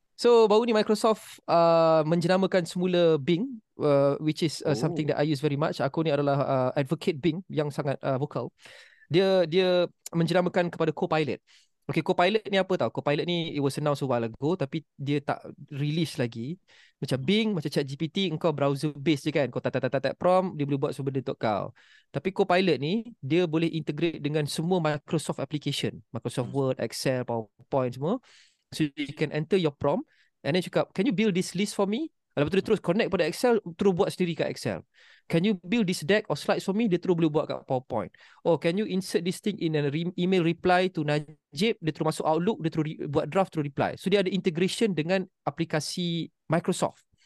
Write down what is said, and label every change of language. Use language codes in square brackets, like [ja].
[en] So, [ms] baru ni Microsoft menjenamakan semula Bing, [en] which is something that I use very much. [ms] Aku ni adalah advocate Bing yang sangat vocal. Dia menjenamakan kepada Copilot. Okay, Copilot ni apa tau? [en] Copilot ni, it was announced a while ago [ms] tapi dia tak release lagi. Macam Bing, macam ChatGPT, engkau browser-based je kan. Kau tap-tap-tap prompt, dia boleh buat semua benda untuk kau. Tapi Copilot ni, dia boleh integrate dengan semua Microsoft application. Microsoft Word, Excel, PowerPoint semua. [en] So you can enter your prompt and then cakap, can you build this list for me? [ms] Lepas tu dia terus connect pada Excel, terus buat sendiri kat Excel. [en] Can you build this deck or slides for me? [ms] Dia terus boleh buat kat PowerPoint. [en] Oh, can you insert this thing in an email reply to Najib? [ms] Dia terus masuk Outlook, dia terus buat draft, terus reply. So dia ada integration dengan aplikasi Microsoft.